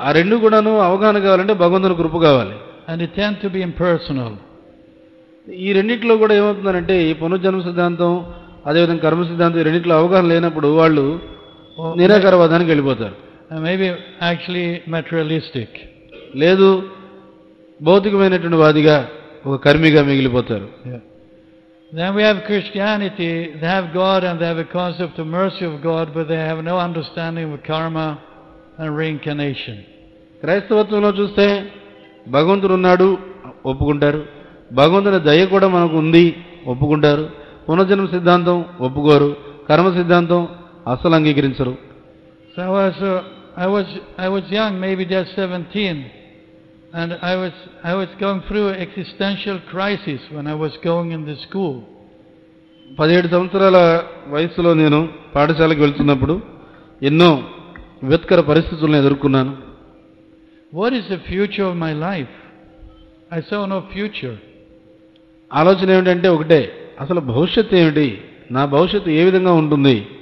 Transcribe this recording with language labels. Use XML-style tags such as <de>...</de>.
<te>ఆ రెండు కూడాను అవగాహన కావాలంటే భగవంతుని కృప కావాలి.</te> <en>And it tend to be impersonal.</en> <te>ఈ రెండింటిలో కూడా ఏమవుతుందంటే ఈ పునర్జన్మ సిద్ధాంతం అదేవిధంగా కర్మ సిద్ధాంతం ఈ రెండింటిలో అవగాహన లేనప్పుడు వాళ్ళు నిరాకారవాదానికి వెళ్ళిపోతారు.</te> <en>Maybe actually materialistic.</en> <te>లేదు భౌతికమైనటువంటి వాదిగా ఒక కర్మిగా మిగిలిపోతారు.</te> <en>Then we have Christianity, they have God and they have a concept of mercy of God, but they have no understanding of karma. And reincarnation.</en> <te>క్రైస్తవత్వంలో చూస్తే భగవంతుడు ఉన్నాడు ఒప్పుకుంటారు, భగవంతుని దయ కూడా మనకు ఉంది ఒప్పుకుంటారు, పునర్జన్మ సిద్ధాంతం ఒప్పుకోరు, కర్మ సిద్ధాంతం అసలు అంగీకరించరు.</te> <en>I was young, maybe just 17, and I was going through an existential crisis when I was going in the school.</en> <te>17 సంవత్సరాల వయసులో నేను పాఠశాలకు వెళ్తున్నప్పుడు ఎన్నో వెత్కర పరిస్థితులను ఎదుర్కొన్నాను.</te> <en>What is the future of my life, I so no future.</en> <te>ఆలోచన ఏమిటంటే ఒకటే, అసలు భవిష్యత్తు ఏమిటి, నా భవిష్యత్తు ఏ విధంగా ఉంటుంది,</te>